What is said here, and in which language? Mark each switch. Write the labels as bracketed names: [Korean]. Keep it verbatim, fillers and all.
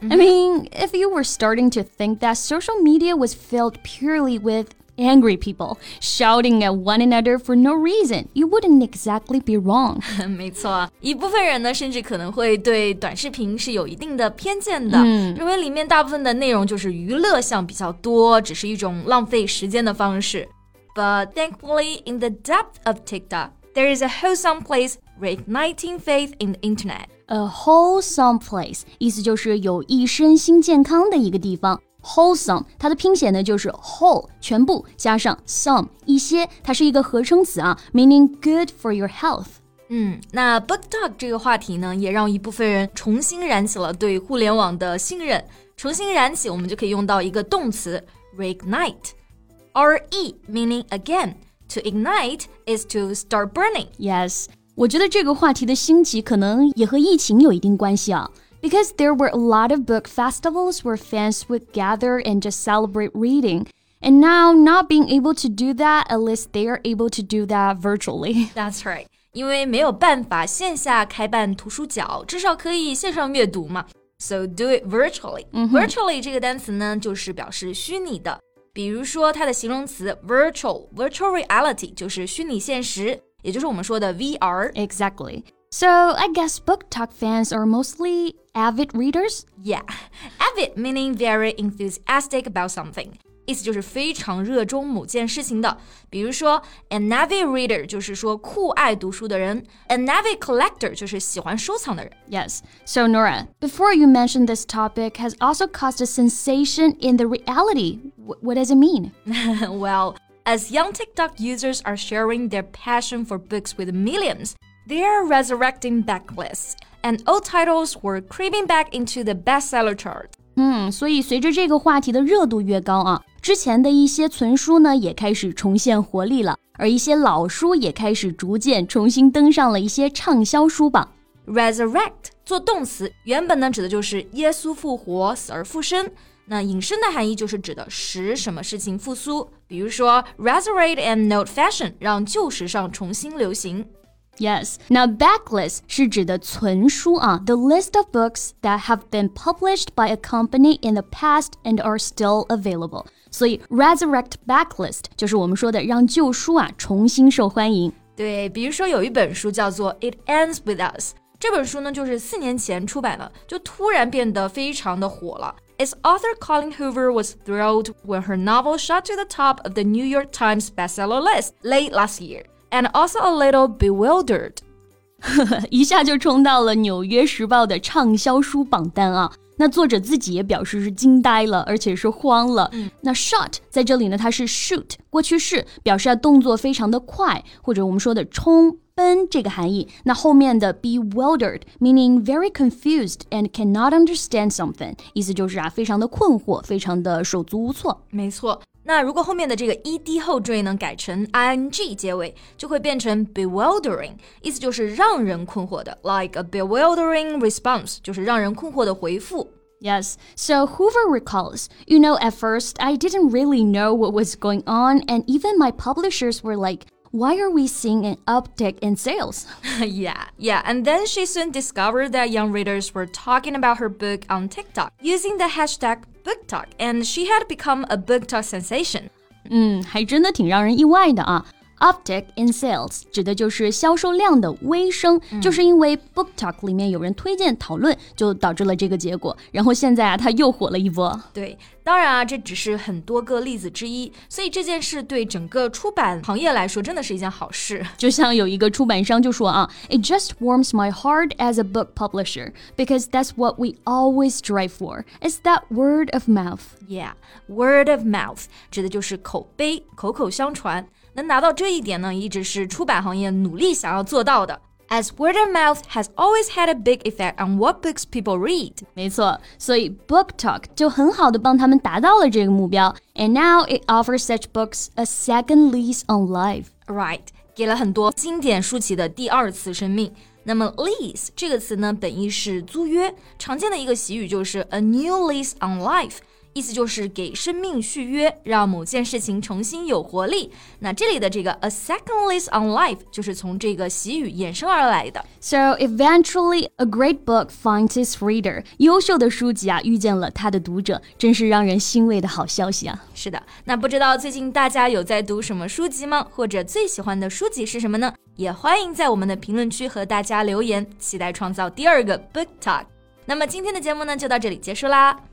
[English] I mean, if you were starting to think that social media was filled purely with angry people shouting at one another for no reason, you wouldn't exactly be wrong. [Chinese] 没错，一部分人呢，甚至可能会对短视频是有一定的偏见的，嗯、认为里面大部分的内容就是娱乐项比较多，只是一种浪费时间的方式。 [English] But thankfully, in the depth of TikTok,There is a wholesome place reigniting faith in the internet. A wholesome place, [Chinese] 意思就是有益身心健康的一个地方。 Wholesome, 它的拼写呢就是 whole, 全部加上 some, 一些，它是一个合称词啊 [English] meaning good for your health. [Chinese] 嗯，那 BookTok 这个话题呢，也让一部分人重新燃起了对互联网的信任。重新燃起，我们就可以用到一个动词 reignite, [English] R-E meaning again. To ignite is to start burning. Yes, [Chinese] 我觉得这个话题的兴起可能也和疫情有一定关系啊。 [English] Because there were a lot of book festivals where fans would gather and just celebrate reading. And now not being able to do that, at least they are able to do that virtually. That's right. [Chinese] 因为没有办法线下开办图书角，至少可以线上阅读嘛。 [English] So do it virtually. [Chinese] Virtually 这个单词呢，就是表示虚拟的。比如说它的形容词 virtual, [English] virtual reality [Chinese] 就是虚拟现实，也就是我们说的 V R. [English] Exactly. So I guess BookTok fans are mostly avid readers? Yeah. Avid meaning very enthusiastic about something. [Chinese] 意思就是非常热衷某件事情的。比如说 [English] an avid reader [Chinese] 就是说酷爱读书的人 , [English] an avid collector [Chinese] 就是喜欢收藏的人。 [English] Yes. So Nora, before you mentioned this topic has also caused a sensation in the reality. What does it mean? Well, as young TikTok users are sharing their passion for books with millions, they are resurrecting backlists, and old titles were creeping back into the bestseller chart. [Chinese] 嗯，所以随着这个话题的热度越高啊，之前的一些存书呢也开始重现活力了。而一些老书也开始逐渐重新登上了一些畅销书榜。 Resurrect 做动词，原本呢指的就是耶稣复活，死而复生。那引申的含义就是指的使什么事情复苏，比如说 [English] resurrect an old fashion， [Chinese] 让旧时尚重新流行。 [English] Yes, [Chinese] 那 backlist 是指的存书啊 [English] ，the list of books that have been published by a company in the past and are still available. [Chinese] 所以 [English] resurrect backlist [Chinese] 就是我们说的让旧书啊重新受欢迎。对，比如说有一本书叫做 It Ends With Us， 这本书呢就是四年前出版的，就突然变得非常的火了。 [English] Its author Colleen Hoover was thrilled when her novel shot to the top of the New York Times bestseller list late last year, and also a little bewildered. [Chinese] 一下就冲到了纽约时报的畅销书榜单啊。那作者自己也表示是惊呆了，而且是慌了。嗯、那 shot 在这里呢，它是 shoot 过去式，表示动作非常的快，或者我们说的冲。奔这个含义，那后面的 [English] bewildered meaning very confused and cannot understand something， [Chinese] 意思就是啊，非常的困惑，非常的手足无措。没错，那如果后面的这个 ed 后缀呢改成 ing 结尾，就会变成 bewildering， 意思就是让人困惑的 ， [English] like a bewildering response， [Chinese] 就是让人困惑的回复。 [English] Yes, so Hoover recalls, you know, at first I didn't really know what was going on, and even my publishers were like. Why are we seeing an uptick in sales? yeah, yeah. And then she soon discovered that young readers were talking about her book on TikTok using the hashtag BookTok, and she had become a BookTok sensation. [Chinese] 嗯，还真的挺让人意外的啊。 [English] Uptick in sales [Chinese] 指的就是销售量的微升、嗯、就是因为 BookTok 里面有人推荐讨论就导致了这个结果，然后现在啊它又火了一波。对，当然啊这只是很多个例子之一，所以这件事对整个出版行业来说真的是一件好事。就像有一个出版商就说啊 [English] It just warms my heart as a book publisher because that's what we always strive for. It's that word of mouth. Yeah, word of mouth [Chinese] 指的就是口碑，口口相传。能拿到这一点呢，一直是出版行业努力想要做到的。 [English] As word of mouth has always had a big effect on what books people read. [Chinese] 没错，所以 BookTok 就很好的帮他们达到了这个目标。 [English] And now it offers such books a second lease on life. Right, [Chinese] 给了很多经典书籍的第二次生命。那么 lease 这个词呢，本意是租约，常见的一个习语就是 [English] a new lease on life。 [Chinese] 意思就是给生命续约，让某件事情重新有活力。那这里的这个 [English] a second lease on life [Chinese] 就是从这个习语衍生而来的。 [English] So eventually, a great book finds its reader. [Chinese] 优秀的书籍啊，遇见了它的读者，真是让人欣慰的好消息啊。是的，那不知道最近大家有在读什么书籍吗？或者最喜欢的书籍是什么呢？也欢迎在我们的评论区和大家留言，期待创造第二个 Book Talk。那么今天的节目呢，就到这里结束啦。